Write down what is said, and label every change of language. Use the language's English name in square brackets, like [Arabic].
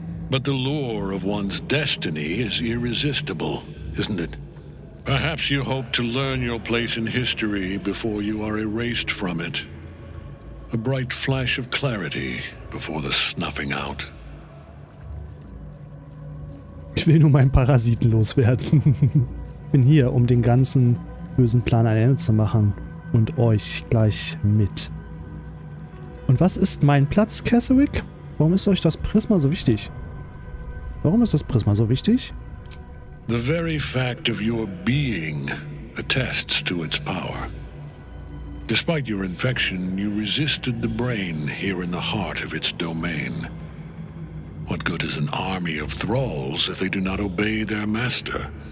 [English] But the lure of one's destiny is irresistible, isn't it? Perhaps you hope to learn your place in history before you are erased from it. A bright flash of clarity before the snuffing out. [German] Ich will nur meinen Parasiten loswerden. Bin hier, um den ganzen bösen Plan ein Ende zu machen. Und euch gleich mit. Und was ist mein Platz, Catherick? Warum ist euch das Prisma so wichtig? Warum ist das Prisma so wichtig? [English] The very fact of your being attests to its power. Despite your infection, you resisted the brain here in the heart of its domain. What good is an army of thralls if they do not obey their master?